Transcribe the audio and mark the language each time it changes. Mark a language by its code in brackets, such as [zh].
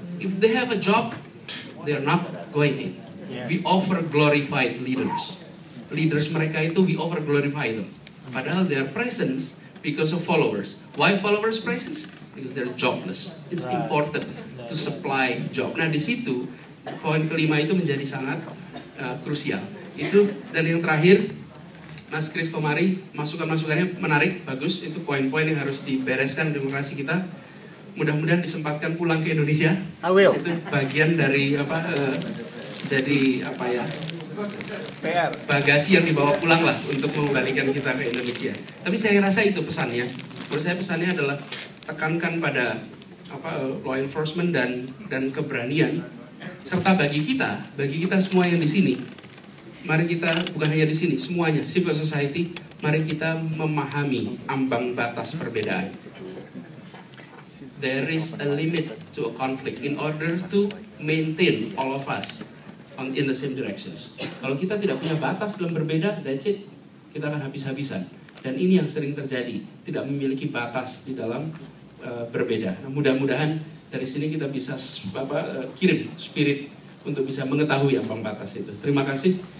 [en] If they have a job, they are not going in. We over glorified leaders. Leaders [id] mereka itu [en] we over glorify them. [id] Padahal [en] their presence because of followers. Why followers presence? Because they're jobless. It's important to supply job. [id] Nah, di situ poin kelima itu menjadi sangat krusial. Itu dan yang terakhir Mas Chris Komari, masukan-masukannya menarik, bagus. Itu poin-poin yang harus dibereskan demokrasi kita. Mudah-mudahan disempatkan pulang ke Indonesia. [en] I will. [id] Itu bagian dari apa? Jadi apa ya, PR. Bagasi yang dibawa pulang lah untuk mengembalikan kita ke Indonesia. Tapi saya rasa itu pesannya. Menurut saya pesannya adalah tekankan pada apa law enforcement dan keberanian, serta bagi kita semua yang di sini. Mari kita bukan hanya di sini, semuanya civil society. Mari kita memahami ambang batas perbedaan. [en] There is a limit to a conflict in order to maintain all of us in the same directions. [id] Kalau kita tidak punya batas dalam berbeda, [en] that's it. [id] Kita akan habis-habisan. Dan ini yang sering terjadi, tidak memiliki batas di dalam berbeda. Nah, mudah-mudahan dari sini kita bisa kirim spirit untuk bisa mengetahui apa batas itu. Terima kasih.